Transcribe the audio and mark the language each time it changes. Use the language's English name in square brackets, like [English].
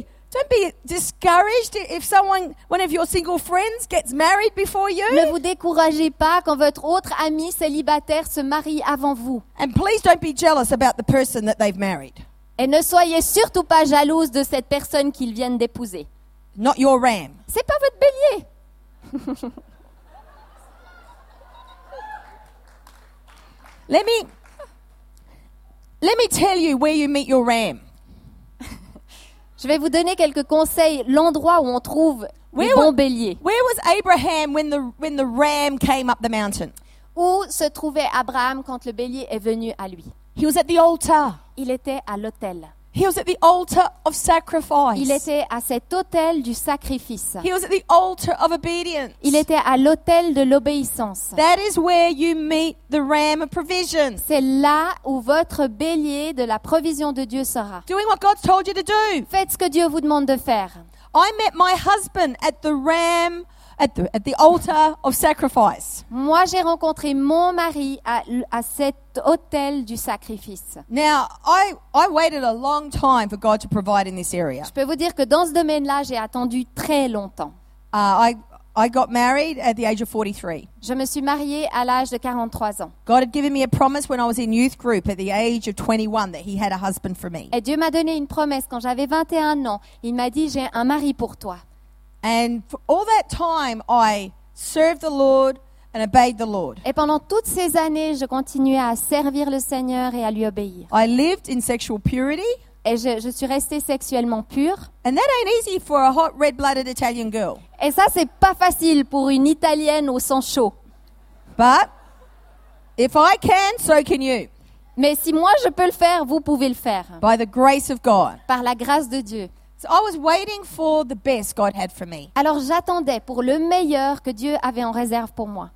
[English] Don't be discouraged if someone one of your single friends gets married before you. [French] Ne vous découragez pas quand votre autre ami célibataire se marie avant vous. [English] And please don't be jealous about the person that they've married. [French] Et ne soyez surtout pas jalouse de cette personne qu'ils viennent d'épouser. [English] Not your ram. [French] C'est pas votre bélier. [English] Let me tell you where you meet your ram. [French] Je vais vous donner quelques conseils, l'endroit où on trouve les bons béliers. [English] Where was Abraham when the ram came up the mountain? [French] Où se trouvait Abraham quand le bélier est venu à lui? [English] He was at the altar. [French] Il était à l'autel. [English] He was at the altar of sacrifice. [French] Il était à cet autel du sacrifice. [English] He was at the altar of obedience. [French] Il était à l'autel de l'obéissance. [English] That is where you meet the ram of provision. [French] C'est là où votre bélier de la provision de Dieu sera. [English] Doing what God's told you to do. [French] Faites ce que Dieu vous demande de faire. [English] I met my husband at the ram at the altar of sacrifice. [French] Moi, j'ai rencontré mon mari à cet autel du sacrifice. [English] Now, I waited a long time for God to provide in this area. [French] Je peux vous dire que dans ce domaine-là, j'ai attendu très longtemps. [English] I got married at the age of 43. [French] Je me suis mariée à l'âge de 43 ans. [English] God had given me a promise when I was in youth group at the age of 21 that he had a husband for me. [French] Et Dieu m'a donné une promesse quand j'avais 21 ans. Il m'a dit, j'ai un mari pour toi. [English] And for all that time, I served the Lord and obeyed the Lord. [French] Et pendant toutes ces années, je continuais à servir le Seigneur et à lui obéir. [English] I lived in sexual purity. [French] Et je suis restée sexuellement pure. [English] And that ain't easy for a hot, red-blooded Italian girl. [French] Et ça, c'est pas facile pour une Italienne au sang chaud. [English] But if I can, so can you. [French] Mais si moi je peux le faire, vous pouvez le faire. [English] By the grace of God. [French] Par la grâce de Dieu. [English] So I was waiting for the best God had for me. [French] Alors j'attendais pour le meilleur que Dieu avait en réserve pour moi.